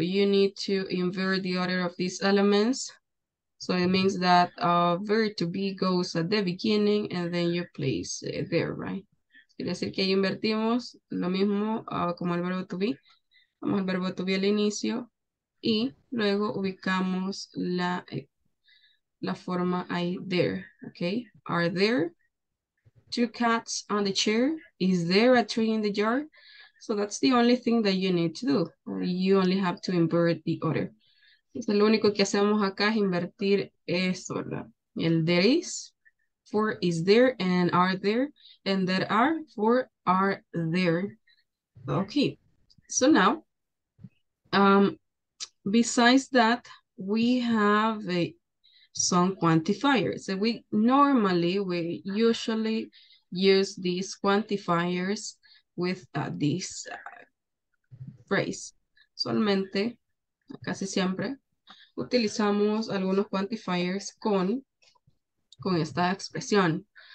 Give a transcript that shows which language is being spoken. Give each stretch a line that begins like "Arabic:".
English: You need to invert the order of these elements. So it means that verb to be goes at the beginning and then you place it there, right?
Spanish: Quiere decir que ahí invertimos lo mismo como el verbo to be. Vamos al verbo to be al inicio y luego ubicamos la forma ahí, there, okay?
English: Are there two cats on the chair? Is there a tree in the jar? So that's the only thing that you need to do. You only have to invert the order.
Spanish: Entonces, lo único que hacemos acá es invertir eso, ¿verdad?
English: El there is for is there and are there, and there are for are there. Okay, so now, besides that, we have some quantifiers. So we normally, we usually use these quantifiers with this phrase.
Spanish: Solamente, casi siempre, utilizamos algunos quantifiers con esta expresión.